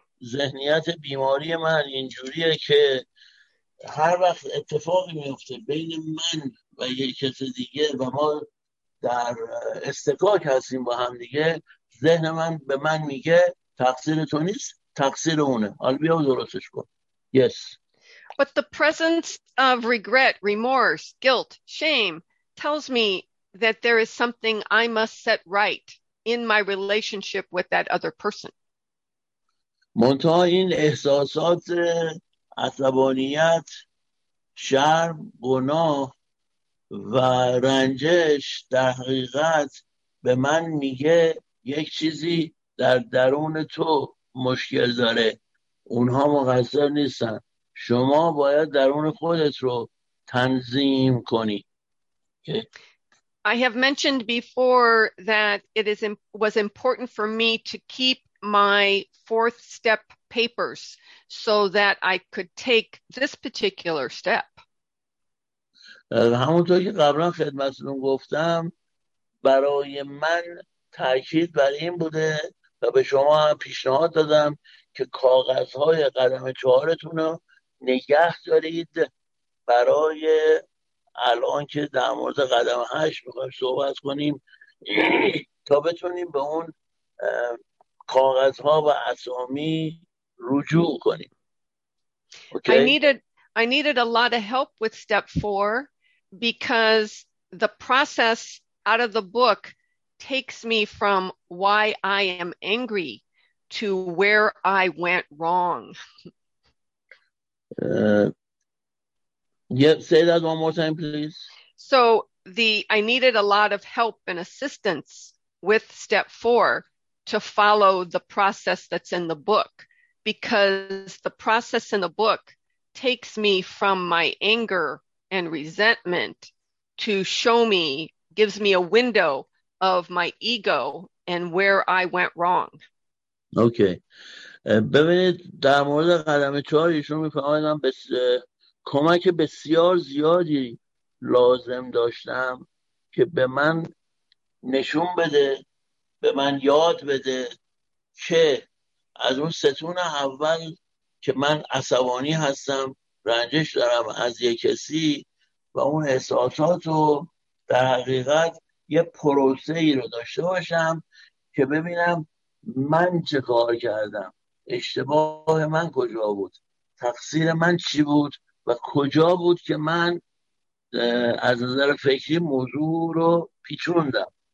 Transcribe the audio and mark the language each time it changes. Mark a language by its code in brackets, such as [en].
[fa] ذهنیت بیماری من اینجوریه که هر وقت اتفاقی میفته بین من و یک کس دیگه و ما در استکاک هستیم با هم دیگه، ذهن من به من میگه تقصیر تو نیست، تقصیر اونه، حالا بیا درستش کن. [en] Yes. But the presence of regret, remorse, guilt, shame tells me that there is something I must set right in my relationship with that other person. [fa] منتها این احساسات عصبانیت، شرم، گناه و رنجش در حقیقت به من میگه یک چیزی در درون تو مشکل داره، اونها مقصر نیستن، شما باید درون خودت رو تنظیم کنی. [en] Okay. I have mentioned before that it is was important for me to keep my fourth step papers so that I could take this particular step. [fa] همونطور که قبلا خدمتتون گفتم، برای من تأکید بر این بوده و به شما هم پیشنهاد دادم که کاغذهای قدم چهارتون رو نگه دارید برای الان که در مورد قدم هشت میخوایم صحبت کنیم تا بتونیم به اون کاغذها و اسامی رجوع کنیم. [en] Okay? I needed a lot of help with step 4 because the process out of the book takes me from why I am angry to where I went wrong. Yeah, say that one more time, please. So I needed a lot of help and assistance with step 4 to follow the process that's in the book, because the process in the book takes me from my anger and resentment to show me, gives me a window of my ego and where I went wrong. Okay. [fa] ببینید در مورد قدم چهار ایشون میفهمیدم کمک بسیار زیادی لازم داشتم که به من نشون بده به من یاد بده که از اون ستون اول که من عصبانی هستم، رنجش دارم از یک کسی، و اون احساساتو در حقیقت یه پروسه ای رو داشته باشم که ببینم من چه کار کردم، اشتباه من کجا بود، تقصیر من چی بود و کجا بود که من از نظر فکری موضوع رو پیچوندم.